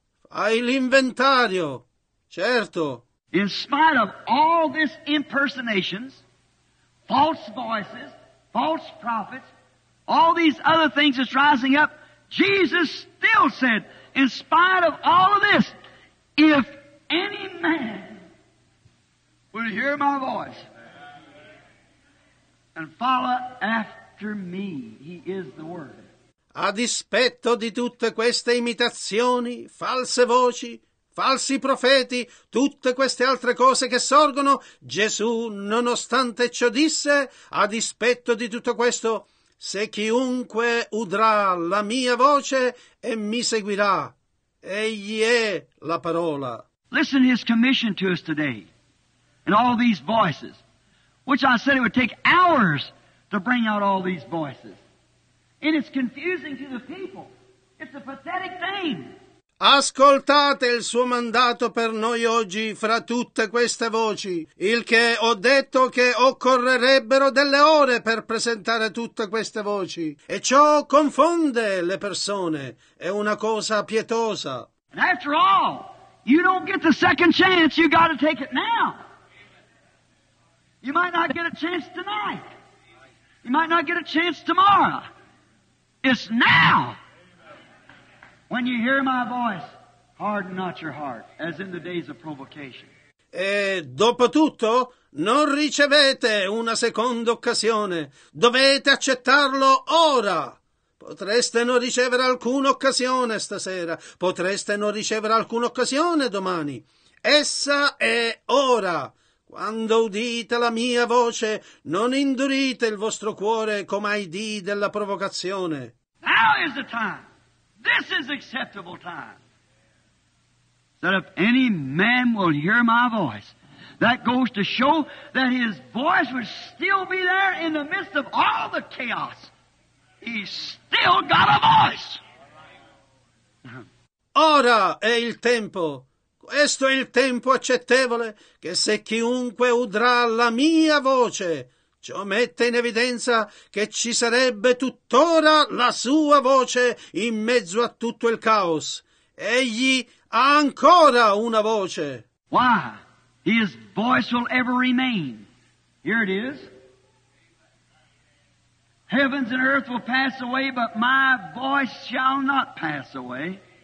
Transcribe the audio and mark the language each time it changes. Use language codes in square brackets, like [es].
[it] Hai l'inventario, certo. [en] In spite of all this impersonations, false voices, false prophets, all these other things that's rising up, Jesus still said, in spite of all of this, if any man will hear my voice and follow after me, he is the word. [it] A dispetto di tutte queste imitazioni, false voci, falsi profeti, tutte queste altre cose che sorgono, Gesù, nonostante ciò disse, a dispetto di tutto questo, se chiunque udrà la mia voce e mi seguirà, egli è la parola. [en] Listen to his commission to us today, and all these voices. Which I said it would take hours to bring out all these voices. And it's confusing to the people. It's a pathetic thing. [it] Ascoltate il suo mandato per noi oggi fra tutte queste voci, il che ho detto che occorrerebbero delle ore per presentare tutte queste voci. E ciò confonde le persone. È una cosa pietosa. [en] And after all, you don't get the second chance. You got to take it now. You might not get a chance tonight. You might not get a chance tomorrow. It's now. When you hear my voice, harden not your heart, as in the days of provocation. [it] E dopo tutto, non ricevete una seconda occasione. Dovete accettarlo ora. Potreste non ricevere alcuna occasione stasera. Potreste non ricevere alcuna occasione domani. Essa è ora. Quando udite la mia voce, non indurite il vostro cuore come ai dì della provocazione. [en] Now is the time. This is acceptable time. That if any man will hear my voice, that goes to show that his voice would still be there in the midst of all the chaos. He's still got a voice. [it] Ora è il tempo. Questo è il tempo accettevole, che se chiunque udrà la mia voce, ciò mette in evidenza che ci sarebbe tuttora la sua voce in mezzo a tutto il caos. Egli ha ancora una voce. [en] Why? His voice will ever remain. Here it is. Heavens and earth will pass away, but my voice shall not pass away.